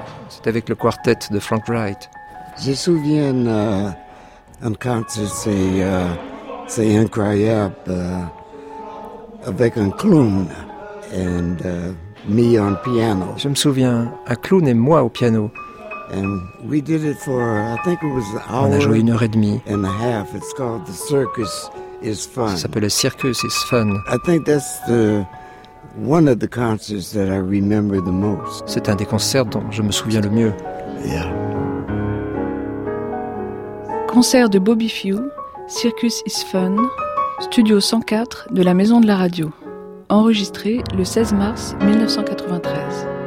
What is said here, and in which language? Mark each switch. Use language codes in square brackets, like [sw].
[fr] C'était avec le quartet de Frank Wright. Je me souviens un concert, c'est incroyable. Avec un clown et me on piano. Je me souviens, un clown et moi au piano. [en] And we did it for, I think it was an hour. [fr] On a joué une heure et demie. [en] And a half. It's called The Circus Is Fun. [fr] Ça s'appelle Le Circus Is Fun. [en] I think that's the one of the concerts that I remember the most. [fr] C'est un des concerts dont je me souviens le mieux. Yeah. Concert de Bobby Few, Circus Is Fun, Studio 104 de la Maison de la Radio. Enregistré le 16 mars 1993.